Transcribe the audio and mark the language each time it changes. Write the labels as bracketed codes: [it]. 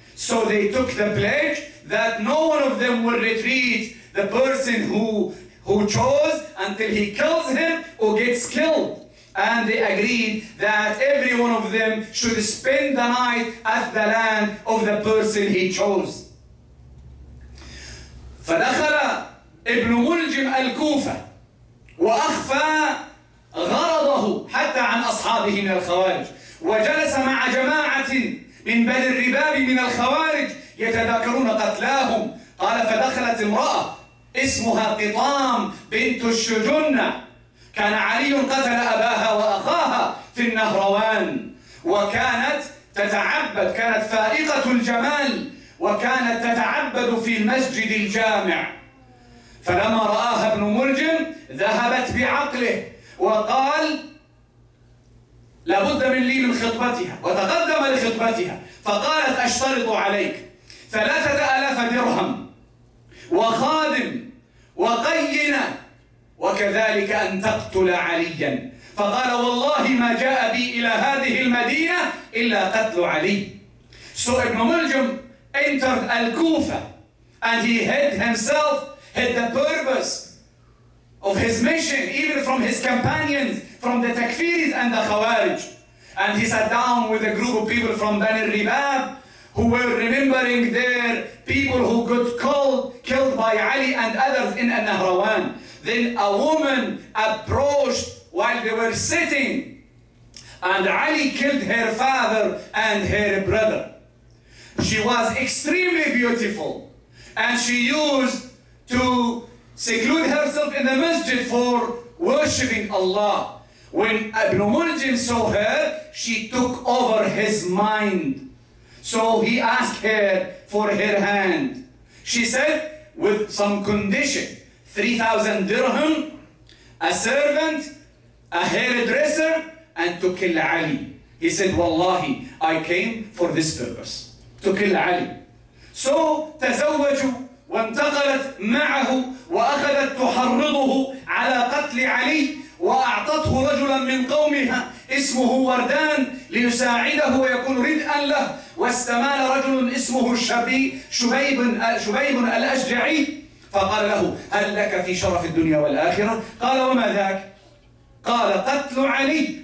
[en] So they took the pledge that no one of them will retreat the person who chose until he kills him or gets killed. And they agreed that every one of them should spend the night at the land of the person he chose. [ar] فدخل ابن ملجم الكوفة وأخفى غرضه حتى عن أصحابه من الخوارج وجلس مع جماعة من بني الرباب من الخوارج يتذاكرون قتلاهم. قال فدخلت امرأة اسمها قطام بنت الشجنة، كان علي قتل أباها وأخاها في النهروان، وكانت تتعبد، كانت فائقة الجمال، وكانت تتعبد في المسجد الجامع. فلما رآها ابن ملجم ذهبت بعقله وقال لابد من لي من خطبتها، وتقدم لخطبتها فقالت أشترط عليك 3000 درهم وخادم وقينة وكذلك أن تقتل عليا. فقال والله ما جاء بي إلى هذه المدينة إلا قتل علي. [en] So Ibn Muljim entered Al-Kufa and he hid himself, hid the purpose of his mission even from his companions, from the Takfiris and the Khawarij. And he sat down with a group of people from Bani Ribab who were remembering their people who got killed by Ali and others in Al-Nahrawan. Then a woman approached while they were sitting and Ali killed her father and her brother. She was extremely beautiful and she used to seclude herself in the masjid for worshipping Allah. When Ibn Muljim saw her, she took over his mind. So he asked her for her hand. She said, with some condition, 3,000 dirham, a servant, a hairdresser, and to kill Ali. He said, Wallahi, I came for this purpose, to kill Ali. [ar] So, تزوجوا وانتقلت معه وأخذت تحرضه على قتل علي وأعطته رجلا من قومها اسمه وردان ليساعده ويكون ردئا له واستمال رجل اسمه شبيب الأشجعي فقال له هل لك في شرف الدنيا والآخرة؟ قال وما ذاك؟ قال قتل علي.